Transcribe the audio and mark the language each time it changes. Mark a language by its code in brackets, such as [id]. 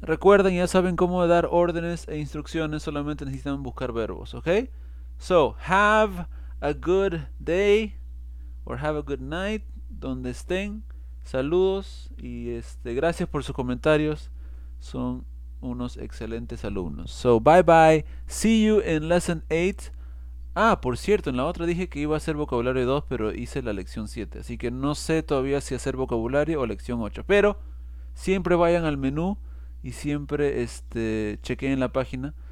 [es] Recuerden, ya saben cómo dar órdenes e instrucciones, solamente necesitan buscar verbos, ¿ok? [en] So, have a good day or have a good night, [es] donde estén. Saludos y gracias por sus comentarios. Son unos excelentes alumnos. [en] So, bye bye. See you in lesson 8. [es] Ah, por cierto, en la otra dije que iba a hacer vocabulario 2, pero hice la lección 7. Así que no sé todavía si hacer vocabulario o lección 8. Pero siempre vayan al menú y siempre chequeen la página.